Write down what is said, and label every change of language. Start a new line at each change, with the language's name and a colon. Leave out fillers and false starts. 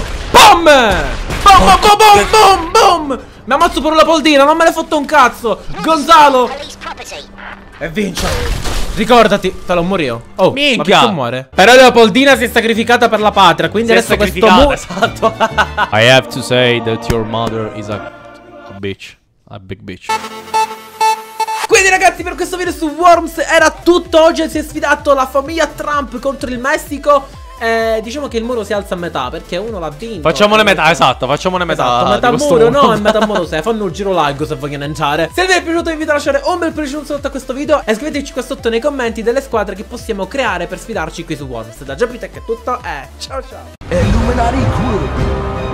Italian: Bom. Bom, bom, bom, bom, bom, bom. Mi ammazzo per la poldina, non me ne fotto un cazzo. Gonzalo. E vince. Ricordati, te lo morio. Oh, minchia. Ma muore. Però la poldina si è sacrificata per la patria. Quindi si adesso è questo mu... Esatto.
English: I have to say that your mother is a bitch. A big bitch.
Italian: Quindi ragazzi, per questo video su Worms era tutto. Oggi si è sfidato la famiglia Trump contro il Messico. Diciamo che il muro si alza a metà, perché uno l'ha vinto. Facciamone metà, esatto, facciamone metà. Esatto, metà muro, no, è metà muro. Se fanno un giro largo se vogliono entrare. Se vi è piaciuto vi invito a lasciare un bel pollice sotto a questo video e scriveteci qua sotto nei commenti delle squadre che possiamo creare per sfidarci qui su Worms. Da Jobitech è tutto, ciao ciao. Illuminati Crew.